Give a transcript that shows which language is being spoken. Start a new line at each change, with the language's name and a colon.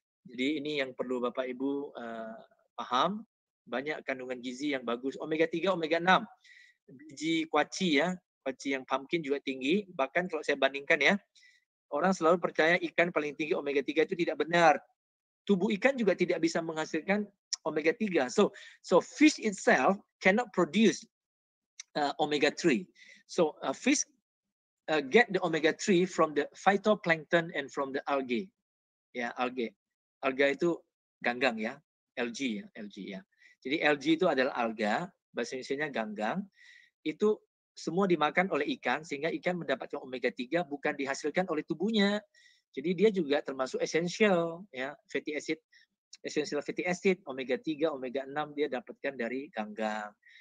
Indonesian: Jadi ini yang perlu Bapak Ibu paham, banyak kandungan gizi yang bagus, omega 3, omega 6. Biji kuaci ya, kuaci yang pumpkin juga tinggi, bahkan kalau saya bandingkan ya, orang selalu percaya ikan paling tinggi omega 3 itu tidak benar. Tubuh ikan juga tidak bisa menghasilkan omega 3.
English: So fish itself cannot produce omega 3. So fish get the omega 3 from the phytoplankton and from the algae.
Indonesian: Ya, algae. Alga itu ganggang ya, algae ya. Jadi algae itu adalah alga, bahasa Indonesianya ganggang. Itu semua dimakan oleh ikan sehingga ikan mendapatkan omega 3 bukan dihasilkan oleh tubuhnya. Jadi dia juga termasuk essential ya, fatty acid, essential fatty acid, omega 3, omega 6 dia dapatkan dari ganggang.